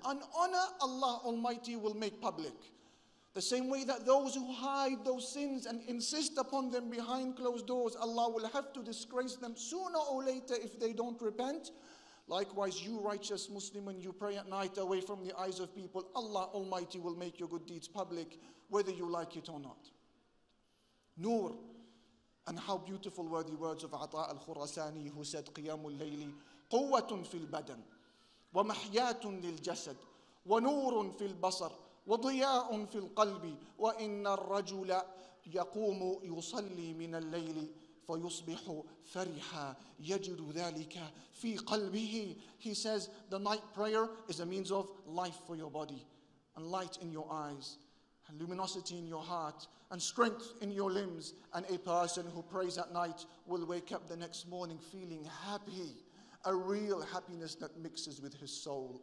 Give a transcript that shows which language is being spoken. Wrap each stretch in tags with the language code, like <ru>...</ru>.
<en>And honor Allah Almighty will make public. The same way that those who hide those sins and insist upon them behind closed doors, Allah will have to disgrace them sooner or later if they don't repent. Likewise, you righteous Muslim, when you pray at night away from the eyes of people, Allah Almighty will make your good deeds public, whether you like it or not. Noor, and how beautiful were the words of Ata al-Khurasani, who said,</en> <ar>قِيَامُ اللَّيْلِ قُوَّةٌ فِي الْبَدَنِ وَمَحْيَاةٌ لِلْجَسَدِ وَنُورٌ فِي الْبَصَرِ وَضِيَاءٌ فِي الْقَلْبِ وَإِنَّ الرَّجُلَ يَقُومُ يُصَلِّي مِنَ اللَّيْلِ فَيُصْبِحُ فَرِحًا يَجِدُ ذَلِكَ فِي قَلْبِهِ.</ar> <en>He says, the night prayer is a means of life for your body, and light in your eyes, and luminosity in your heart, and strength in your limbs. And a person who prays at night will wake up the next morning feeling happy, a real happiness that mixes with his soul.</en>